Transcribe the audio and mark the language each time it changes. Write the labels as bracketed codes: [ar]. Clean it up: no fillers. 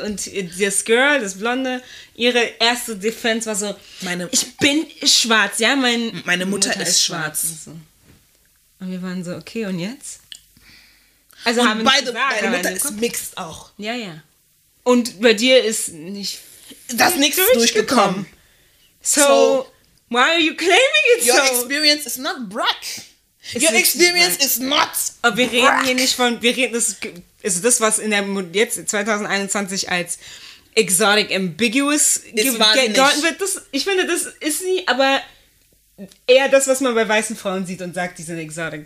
[de] Und das Girl, das Blonde, ihre erste Defense war so, ich bin schwarz, ja, meine Mutter ist schwarz. Und wir waren so, okay, und jetzt? Also und haben beide, deine Mutter ist mixed auch. Ja, ja. Und bei dir ist nicht... Das nichts durchgekommen. [en] So, why are you claiming it so? Your experience is not black. [de] Aber wir reden hier nicht von, wir reden, das ist das, was in der jetzt 2021 als exotic ambiguous gegolten wird. Ich finde, das ist nie, aber eher das, was man bei weißen Frauen sieht und sagt, die sind exotic.